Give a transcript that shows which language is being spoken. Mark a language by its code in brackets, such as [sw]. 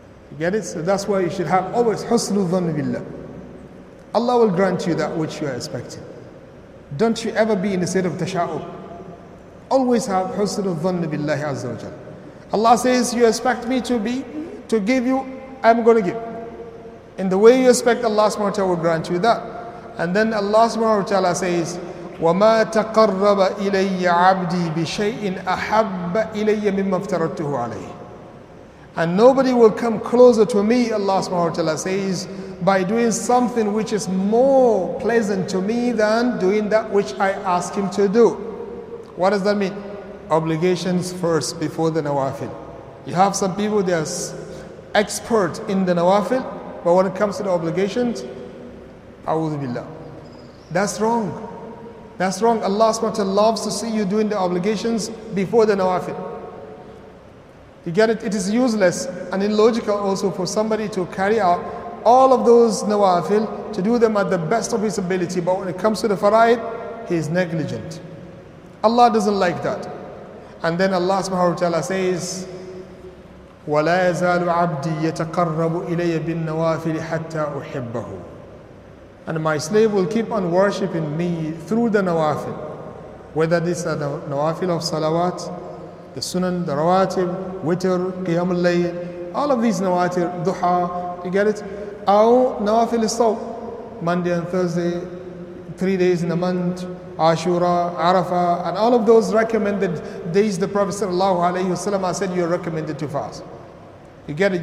[en] You get it? So that's why you should have always husnu dhanni billah. Allah will grant you that which you are expecting. Don't you ever be in a state of tasha'ub. Always have husnu dhanni billah azza wa jalla. Allah says, you expect me to give you, I'm going to give. In the way you expect, Allah subhanahu wa ta'ala will grant you that. And then Allah subhanahu wa ta'ala says, [ar] وَمَا تَقَرَّبَ إِلَيَّ عَبْدِي بِشَيْءٍ أَحَبَّ إِلَيَّ مِمَّا افْتَرَدْتُهُ عَلَيْهِ. [en] And nobody will come closer to me, Allah subhanahu wa ta'ala says, by doing something which is more pleasant to me than doing that which I ask him to do. What does that mean? Obligations first before the nawafil. You have some people, they are expert in the nawafil, but when it comes to the obligations, a'udhu billah. That's wrong. Allah subhanahu wa ta'ala loves to see you doing the obligations before the nawafil. You get it? It is useless and illogical also for somebody to carry out all of those nawafil, to do them at the best of his ability, but when it comes to the fara'id, he is negligent. Allah doesn't like that. And then Allah subhanahu wa ta'ala says, [ar] وَلَا يَزَالُ عَبْدِي يَتَقَرَّبُ إِلَيَّ بِالنَّوَافِلِ حَتَّى أُحِبَّهُ. [en] And my slave will keep on worshipping me through the nawafil. Whether this are the nawafil of salawat, the sunan, the rawatib, witr, qiyam al-layl, all of these nawafil, duha, you get it? [ar] أو نوافل الصوم, [en] Monday and Thursday, 3 days in a month, Ashura, Arafah, and all of those recommended days the Prophet sallallahu alayhi wa sallam said you're recommended to fast. You get it?